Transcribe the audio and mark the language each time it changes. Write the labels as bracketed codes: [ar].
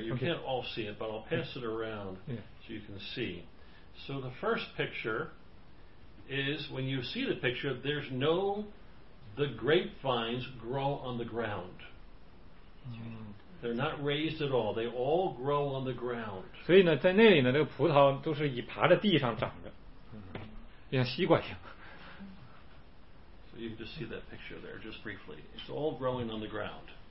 [en] You can't all see it, but I'll pass it around so you can see. So, the first picture is, when you see the picture, there's no, the grapevines grow on the ground. They're not raised at all. They all grow on the ground. [zh] 所以呢，在那里呢，这个葡萄都是以爬在地上长的，像西瓜一样。 [en] So, you can just see that picture there, just briefly. It's all growing on the ground.